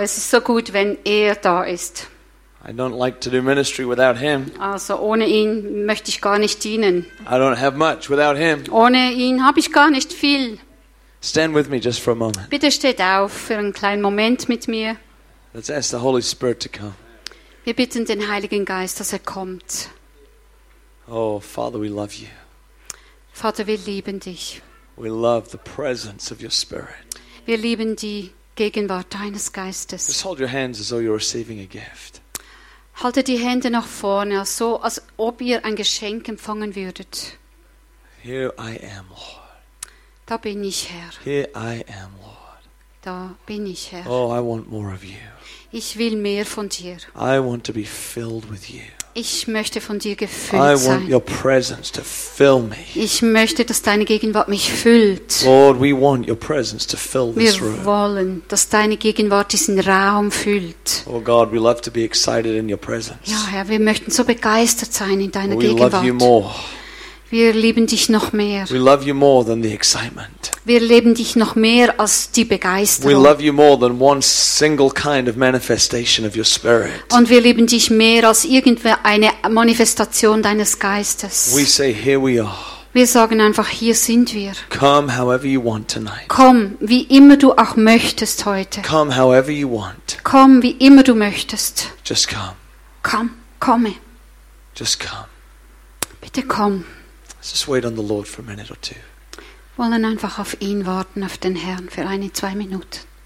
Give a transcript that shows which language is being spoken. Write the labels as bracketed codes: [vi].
[de] Es ist so gut, wenn er da ist. [en] I don't like to do ministry without him. [de] Also ohne ihn möchte ich gar nicht dienen. [en] I don't have much without him. [de] Ohne ihn habe ich gar nicht viel. [en] Stand with me just for a moment. [de] Bitte steht auf für einen kleinen Moment mit mir. [en] Let's ask the Holy Spirit to come. [de] Wir bitten den Heiligen Geist, dass er kommt. [en] Oh, Father, we love you. [de] Vater, wir lieben dich. [en] We love the presence of your Spirit. [de] Wir lieben die Gegenwart deines Geistes. [en] Just hold your hands as though you're receiving a gift. [de] Halte die Hände nach vorne, so als ob ihr ein Geschenk empfangen würdet. [en] Here I am, Lord. [de] Da bin ich, Herr. [en] Here I am, Lord. [de] Da bin ich, Herr. [en] Oh, I want more of you. [de] Ich will mehr von dir. [en] I want to be filled with you. [de] Ich möchte von dir gefüllt sein. [en] I want your presence to fill me. [de] Ich möchte, dass deine Gegenwart mich füllt. [en] Lord, we want your presence to fill this room. [de] Wir wollen, dass deine Gegenwart diesen Raum füllt. [en] Oh God, we love to be excited in your presence. [de] Ja, Herr, wir möchten so begeistert sein in deiner Gegenwart. [en] We love you more. [de] Wir lieben dich noch mehr. [en] We love you more than the excitement. [de] Wir lieben dich noch mehr als die Begeisterung. [en] We love you more than one single kind of manifestation of your spirit. [de] Und wir lieben dich mehr als irgendeine Manifestation deines Geistes. [en] We say, here we are. [de] Wir sagen einfach, hier sind wir. [en] Come however you want tonight. [de] Komm, wie immer du auch möchtest heute. [en] Come however you want. [de] Komm, wie immer du möchtest. [en] Just come. [de] Komm, komme. [en] Just come. [de] Bitte komm. [en] Just wait on the Lord for a minute or two. [de] Wollen einfach auf ihn warten, auf den Herrn, für eine, zwei Minuten.